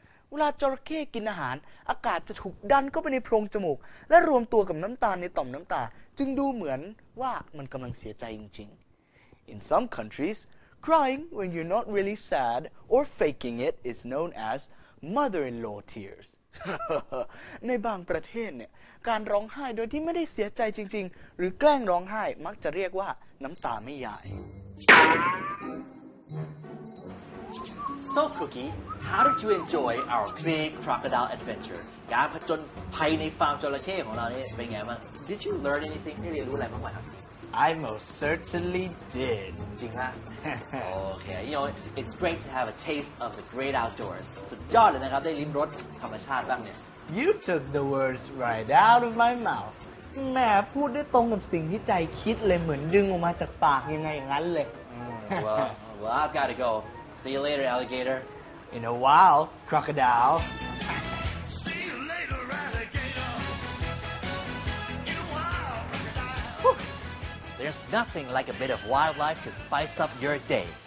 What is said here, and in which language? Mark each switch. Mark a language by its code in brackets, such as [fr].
[th] เวลาจระเข้กินอาหารอากาศจะถูกดันเข้าไปในโพรงจมูกและรวมตัวกับน้ำตาในต่อมน้ำตาจึงดูเหมือนว่ามันกำลังเสียใจจริงๆ [en] In some countries crying when you're not really sad or faking it is known as mother-in-law tears [th] ในบางประเทศเนี่ยการร้องไห้โดยที่ไม่ได้เสียใจจริงๆหรือแกล้งร้องไห้มักจะเรียกว่าน้ำตาแม่ยาย [en] So Cookie, how did you enjoy our big crocodile adventure? [th] การผจญภัยในฟาร์มจระเข้ของเราเนี่ยเป็นไงบ้าง [en] Did you learn anything? [th] ได้เรียนรู้อะไรบ้างไหมครับ [en] I most certainly did. [th] จริงฮะ [en] Okay, you know, it's great to have a taste of the great outdoors. [th] สุดยอดเลยนะครับได้ลิ้มรสธรรมชาติบ้างเนี่ย [en] You took the words right out of my mouth. [th] แม่พูดได้ตรงกับสิ่งที่ใจคิดเลยเหมือนดึงออกมาจากปากยังไงอย่างนั้นเลย [en] Well, I've got to go. See you later, alligator. In a while, crocodile. See you later, alligator. In a while, crocodile. There's nothing like a bit of wildlife to spice up your day.